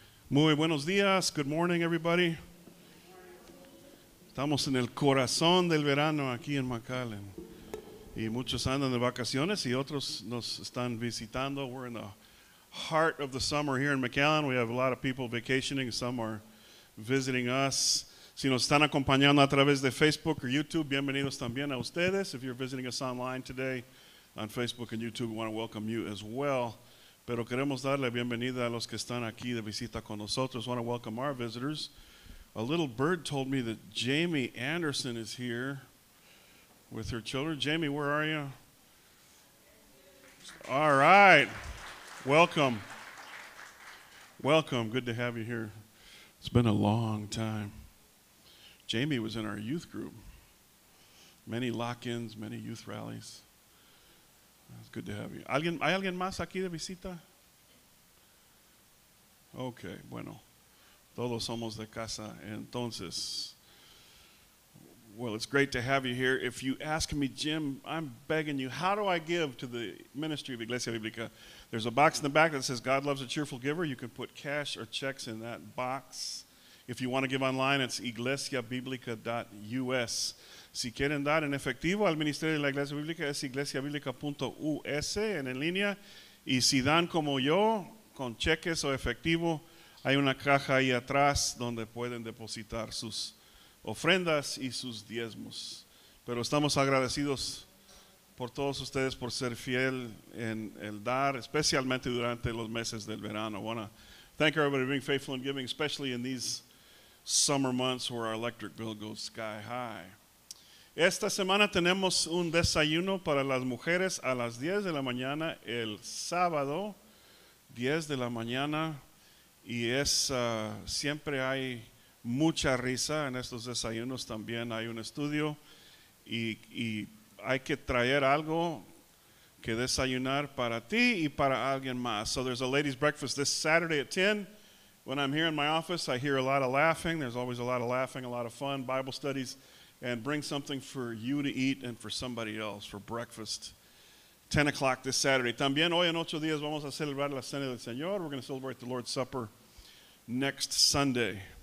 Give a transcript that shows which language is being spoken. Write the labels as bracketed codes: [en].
[es] Muy buenos días, [en] good morning everybody. [es] Estamos en el corazón del verano aquí en McAllen, y muchos andan de vacaciones y otros nos están visitando. [en] We're in the heart of the summer here in McAllen. We have a lot of people vacationing. Some are visiting us. [es] Si nos están acompañando a través de Facebook or YouTube, bienvenidos también a ustedes. [en] If you're visiting us online today on Facebook and YouTube, we want to welcome you as well. [es] Pero queremos darle bienvenida a los que están aquí de visita con nosotros. [en] Want to welcome our visitors. A little bird told me that Jamie Anderson is here. with her children. Jamie, where are you? All right. Welcome. Welcome. Good to have you here. It's been a long time. Jamie was in our youth group. Many lock-ins, many youth rallies. It's good to have you. [es] ¿Hay alguien más aquí de visita? Okay, bueno. Todos somos de casa. Entonces, [en] well, it's great to have you here. If you ask me, Jim, I'm begging you, how do I give to the ministry of Iglesia Biblica? There's a box in the back that says God loves a cheerful giver. You can put cash or checks in that box. If you want to give online, it's iglesiabiblica.us. [es] Si quieren dar en efectivo al Ministerio de la Iglesia Bíblica, es iglesiabiblica.us en línea. Y si dan como yo, con cheques o efectivo, hay una caja ahí atrás donde pueden depositar sus ofrendas y sus diezmos. Pero estamos agradecidos por todos ustedes por ser fiel en el dar, especialmente durante los meses del verano. [en] I want to thank everybody for being faithful in giving, especially in these summer months where our electric bill goes sky high. [es] Esta semana tenemos un desayuno para las mujeres a las 10 de la mañana, el sábado, 10 de la mañana, y es siempre hay mucha risa en estos desayunos, también hay un estudio, y hay que traer algo que desayunar para ti y para alguien más. [en] So there's a ladies' breakfast this Saturday at 10. When I'm here in my office, I hear a lot of laughing. There's always a lot of laughing, a lot of fun, Bible studies. And bring something for you to eat and for somebody else for breakfast. 10 o'clock this Saturday. [es] También hoy en ocho días vamos a celebrar la cena del Señor. [en] We're going to celebrate the Lord's Supper next Sunday.